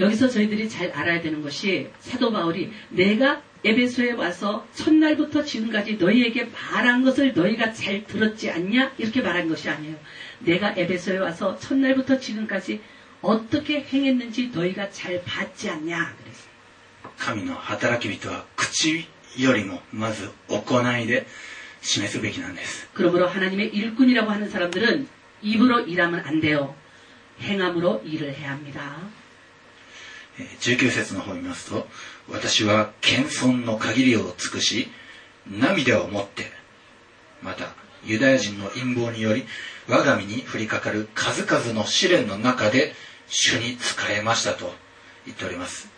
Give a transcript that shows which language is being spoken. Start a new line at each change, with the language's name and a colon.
Korean: 여기서저희들이잘알아야되는것이사도바울이내가에베소에와서첫날부터지금까지너희에게말한것을너희가잘들었지않냐이렇게말한것이아니에요내가에베소에와서첫날부터지금까지어떻게행했는지너희가잘봤지않냐그랬어요
Japanese: 神の働き人は口よりもまず行いで示すべきなんです
Korean: 그러므로하나님의일꾼이라고하는사람들은 입으로일하면안돼요행함으로일을해야합니다
Japanese: 19節の方を見ますと、私は謙遜の限りを尽くし、涙をもって、またユダヤ人の陰謀により、我が身に降りかかる数々の試練の中で、主に仕えましたと言っております。